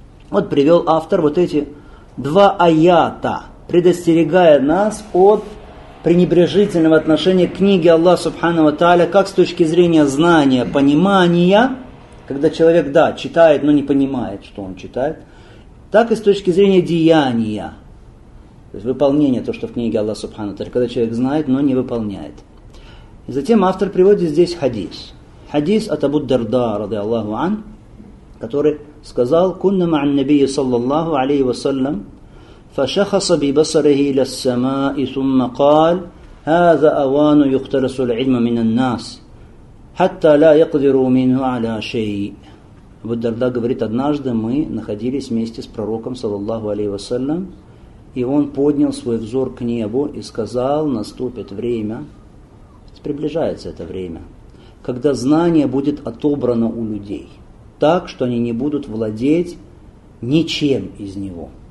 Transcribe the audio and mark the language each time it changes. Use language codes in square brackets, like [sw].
[ru] Вот привел автор вот эти два аята, предостерегая нас от пренебрежительного отношения к книге Аллаха Субхану ва Тааля, как с точки зрения знания, понимания, когда человек, да, читает, но не понимает, что он читает, так и с точки зрения деяния, то есть выполнения, то, что в книге Аллаха Субхану ва Тааля, когда человек знает, но не выполняет. И затем автор приводит здесь хадис. Хадис от Абу Дарда, ради Аллаху ан, который сказал: [ar] «Кунна ма'ан набия саллаллаху алейхи ва саллям, فَشَخَصَ بِبَصَرِهِ إِلَى السَّمَاءِ ثُمَّ قَالَ هَذَا أَوَانُ يُخْتَلَسُ الْعِلْمَ مِنَ النَّاسِ حَتَّى لَا يَقْدِرُوا مِنْهُ عَلَى شَيْءٍ». [ru] Абу Дарда говорит: однажды мы находились вместе с пророком, саллаллаху алейхи ва саллям, и он поднял свой взор к небу и сказал: наступит время, приближается это время, когда знание будет отобрано у людей так, что они не будут владеть ничем из него.